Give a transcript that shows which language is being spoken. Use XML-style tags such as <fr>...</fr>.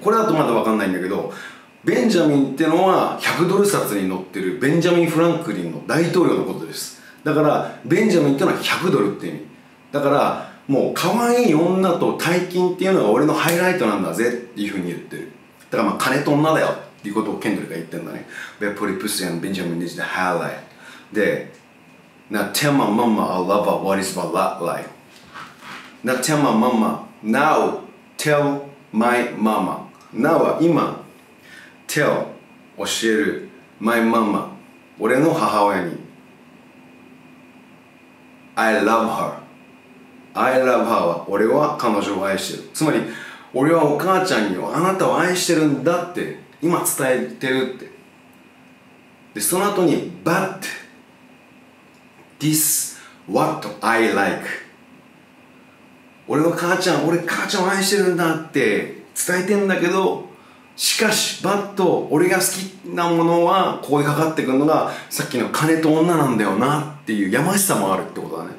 <ja>これだとまだ分かんないんだけど、ベンジャミンってのは100ドル札に載ってるベンジャミン・フランクリンの大統領のことです。だからベンジャミンってのは100ドルって意味。だからもう可愛い女と大金っていうのが俺のハイライトなんだぜっていうふうに言ってる。だからまあ金と女だよっていうことをケンドリが言ってるんだね。ベポリプスやベンジャミン</ja> <en>is the highlight. で、Now tell my mama I love her, what is my lot like? Now tell my mama, now tell my mama.</en> <ja>Now は今、tell 教える</ja> <en>my mama</en> <ja>俺の母親に</ja> <en>I love her。 I love her</en> <ja>は俺は彼女を愛してる、つまり俺はお母ちゃんにあなたを愛してるんだって今伝えてるって。でその後に</ja> <en>But this what I like、</en> <ja>俺は母ちゃん、俺母ちゃんを愛してるんだって伝えてんだけど、しかし But 俺が好きなものはここにかかってくるのがさっきの金と女なんだよなっていうやましさもあるってことだね。</ja>